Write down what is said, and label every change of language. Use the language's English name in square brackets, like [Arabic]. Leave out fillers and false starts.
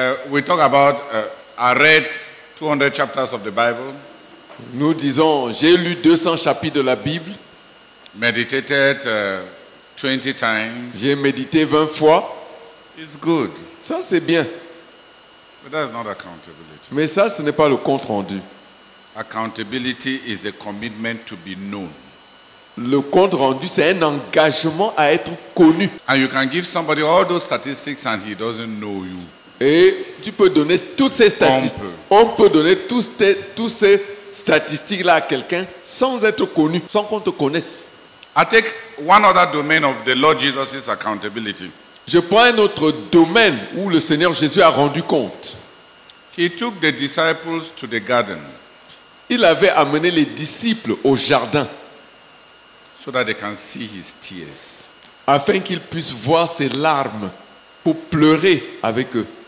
[English] We talk about I read 200 chapters of the Bible. [French] Nous disons, j'ai lu 200 chapitres de la Bible. [English] Meditated 20 times. [French] J'ai médité 20 fois. [English] It's good. [French] Ça, c'est bien. [English] But that's not accountability. [French] Mais ça, ce n'est pas le compte rendu. [English] Accountability is a commitment to be known. [French] Le compte rendu, c'est un engagement à être connu. [English] And you can give somebody all those statistics and he doesn't know you. [French] Et tu peux donner toutes ces statistiques. On peut donner toutes ces statistiques là à quelqu'un sans être connu, sans qu'on te connaisse. [English] I take one other domain of the Lord Jesus's accountability. [French] Je prends un autre domaine où le Seigneur Jésus a rendu compte. [English] He took the disciples to the garden. [French] Il avait amené les disciples au jardin. [English] So that they can see his tears. [French] Afin qu'ils puissent voir ses larmes pour pleurer avec eux.